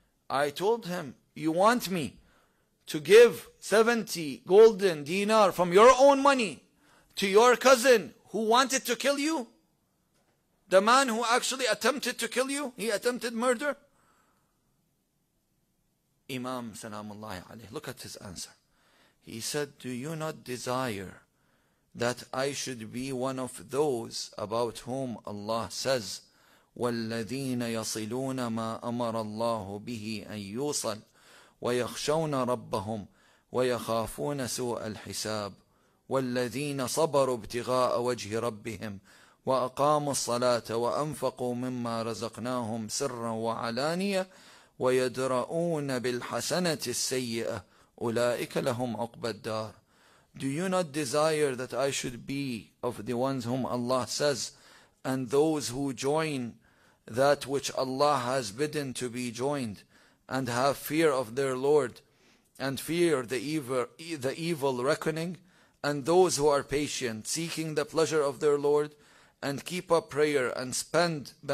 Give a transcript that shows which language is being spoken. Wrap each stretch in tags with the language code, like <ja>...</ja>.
<en>I told him, you want me to give 70 golden dinar from your own money to your cousin who wanted to kill you? The man who actually attempted to kill you? He attempted murder? Imam salamullahi alayhi, look at his answer. He said, do you not desire that I should be one of those about whom Allah says,</en> <ar>وَالَّذِينَ يَصِلُونَ مَا أَمَرَ اللَّهُ بِهِ أَن يُوصَلْ وَيَخْشَوْنَ رَبَّهُمْ وَيَخَافُونَ سُوءَ الْحِسَابِ وَالَّذِينَ صَبَرُوا ابْتِغَاءَ وَجْهِ رَبِّهِمْ وَأَقَامُوا الصَّلَاةَ وَأَنفَقُوا مِمَّا رَزَقْنَاهُمْ سِرًّا وَعَلَانِيَةً وَيَدْرَؤُونَ بِالْحَسَنَةِ السَّيِّئَةِ أُولَٰئِكَ لَهُمْ عُقْبَى الدَّارِ.</ar> <en>Do you not desire that I should be of the ones whom Allah says, and those who join that which Allah has bidden to be joined, and have fear of their Lord, and fear the evil reckoning, and those who are patient, seeking the pleasure of their Lord, and keep up prayer, and spend</en>